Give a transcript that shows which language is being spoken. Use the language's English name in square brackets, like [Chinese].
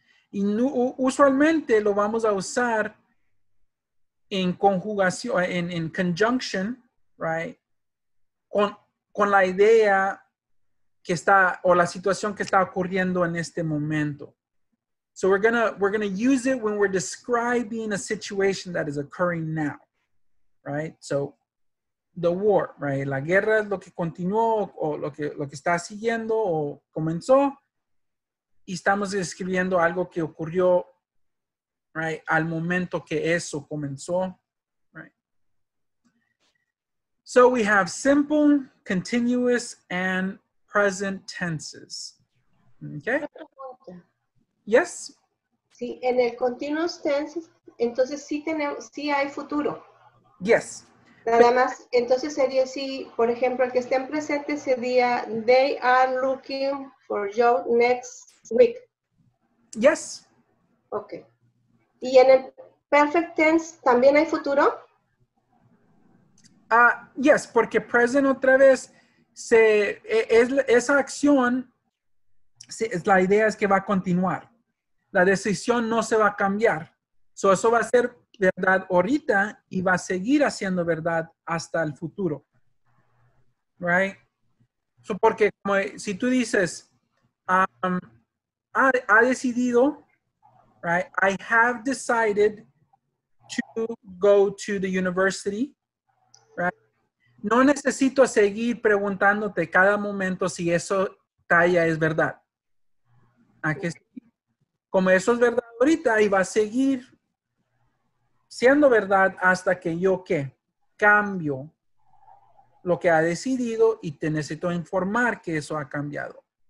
[Spanish] Y usualmente lo vamos a usar en conjugación, en conjunction, right? Con la idea que está, o la situación que está ocurriendo en este momento. [English] So we're gonna use it when we're describing a situation that is occurring now, right? So the war, right? [Spanish] La guerra es lo que continuó, o lo que está siguiendo, o comenzó. Y estamos describiendo algo que ocurrió, right, al momento que eso comenzó, right? [English] So we have simple, continuous, and present tenses. Okay? Yes? [Spanish] Sí, en el continuous tense, entonces sí tenemos, sí hay futuro. [English] Yes. [Spanish] Nada más, entonces sería si, por ejemplo, el que esté en presente sería, [English] they are looking for you next week. Yes. [Spanish] Okay. ¿Y en el perfect tense también hay futuro? Yes, porque present otra vez, esa acción, la idea es que va a continuar. La decisión no se va a cambiar. So eso va a ser verdad ahorita y va a seguir haciendo verdad hasta el futuro. Right? So porque como, si tú dices, ha decidido, right? [English] I have decided to go to the university. Right? [Spanish] No necesito seguir preguntándote cada momento si eso talla es verdad. ¿A qué? Como eso es verdad ahorita y va a seguir siendo verdad hasta que yo, ¿qué? Cambio lo que ha decidido y te necesito informar que eso ha cambiado.